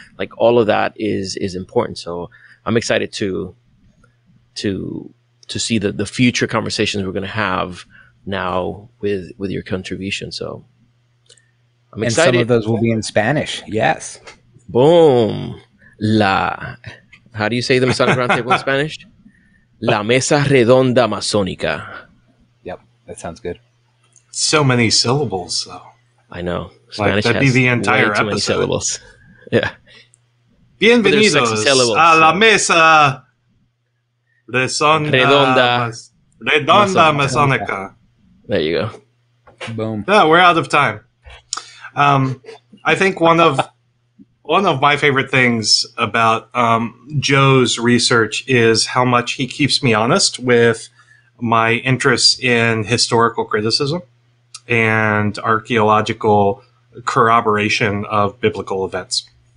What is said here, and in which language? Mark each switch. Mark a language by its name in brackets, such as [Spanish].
[English] Like, all of that is important. So I'm excited to see the future conversations we're going to have now with your contribution. So I'm excited. And some of those will be in Spanish. Yes. Boom. How do you say the Masonic Roundtable in Spanish? [Spanish] La Mesa Redonda Masónica. [English] Yep. That sounds good. So many syllables, though. I know. Spanish like, that'd has be the entire way too episode. Many syllables. Yeah. [Spanish] Bienvenidos a la Mesa Redonda Redonda Masónica. [English] There you go. Boom. Yeah, we're out of time. I think one of my favorite things about Joe's research is how much he keeps me honest with my interests in historical criticism and archaeological corroboration of biblical events.